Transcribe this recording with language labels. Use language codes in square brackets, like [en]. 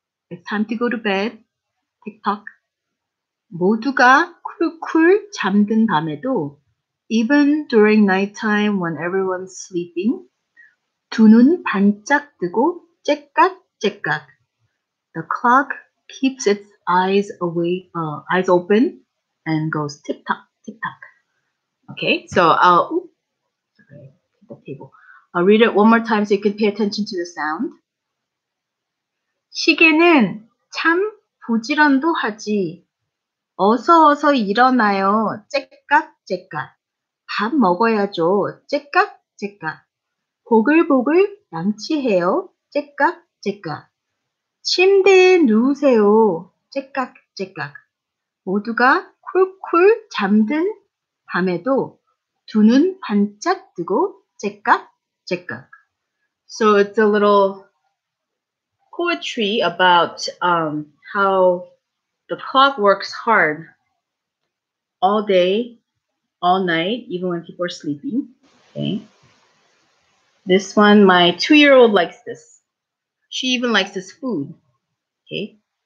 [en] It's time to go to bed. TikTok. [ko] 모두가 쿨쿨 잠든 밤에도, [en] even during nighttime when everyone's sleeping, [ko] 두 눈 반짝 뜨고 째깍 째깍. [en] The clock keeps its eyes eyes open. And goes tick-tock, tick-tock. Okay, so I'll read it one more time so you can pay attention to the sound. [ko] 시계는 참 부지런도 하지. 어서 어서 일어나요. 째깍째깍. 밥 먹어야죠. 째깍째깍. 보글보글 양치해요. 째깍째깍. 침대에 누우세요. 째깍째깍. 모두가 쿨쿨 잠든 밤에도 두 눈 반짝 뜨고 제깍, 제깍. [en] So it's a little poetry about how the clock works hard all day, all night, even when people are sleeping. Okay. This one, my two-year-old likes this. She even likes this food. Okay.